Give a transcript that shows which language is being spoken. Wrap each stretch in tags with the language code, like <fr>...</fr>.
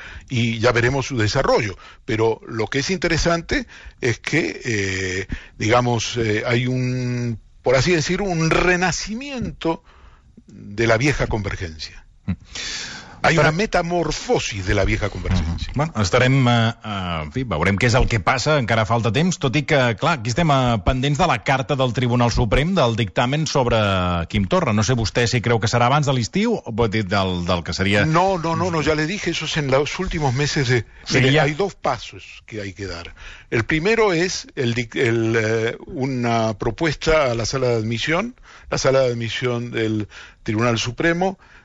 <es>Y ya veremos su desarrollo. Pero lo que es interesante es que, hay un, por así decir, un renacimiento de la vieja convergencia. Hay una metamorfosis de la vieja convergència.</es> <ca>Bueno, estarem, en fi, veurem què és el que passa, encara falta temps, tot i que, clar, aquí estem pendents de la carta del Tribunal Suprem, del dictamen sobre Quim Torra. No sé vostè si creu que serà abans de l'estiu, o del que seria...</ca> <es>No, ya le dije, eso es en los últimos meses de... Sí, hay dos pasos que hay que dar. El primero es una propuesta a la sala de admisión, del Tribunal Supremo.</es>